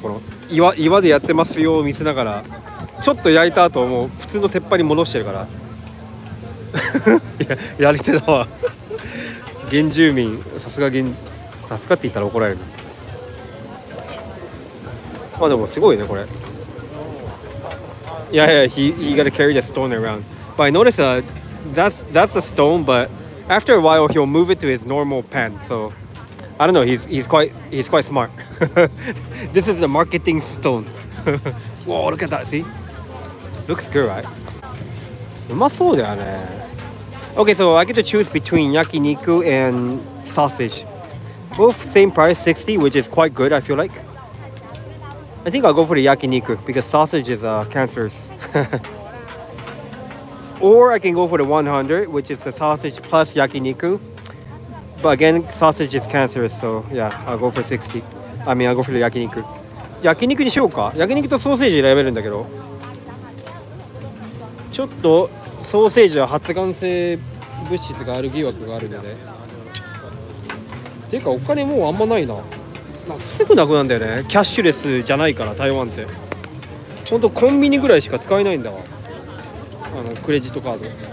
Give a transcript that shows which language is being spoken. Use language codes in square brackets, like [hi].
[ja] この、岩でやってますよ、見せながら。ちょっと焼いた後もう普通の鉄板に戻してるから。いや、やり手だわ。原住民、さすが原、さすがって言ったら怒られる。まあでもすごいねこれ。いやいや、 [en] he gotta carry the stone around. But I noticed that's a stone, but after a while he'll move it to his normal pen. So I don't know, he's quite smart. This is the marketing stone. Whoa, look at that, see? Looks good, right? [ja] うまそうだよね。 [en] Okay, so I get to choose between yakiniku and sausage. Both same price, 60, which is quite good, I feel like. I think I'll go for the yakiniku, because sausage is cancerous. Or I can go for the 100, which is the sausage plus yakiniku. But again, sausage is cancerous, so yeah, I'll go for 60. I mean, I'll go for the yakiniku. [ja] 焼肉にしようか。焼肉とソーセージ選べるんだけど。ちょっとソーセージは発がん性物質がある疑惑があるので、ていうかお金もうあんまないな、すぐなくなるんだよね。キャッシュレスじゃないから台湾って、ほんとコンビニぐらいしか使えないんだわ、あのクレジットカード。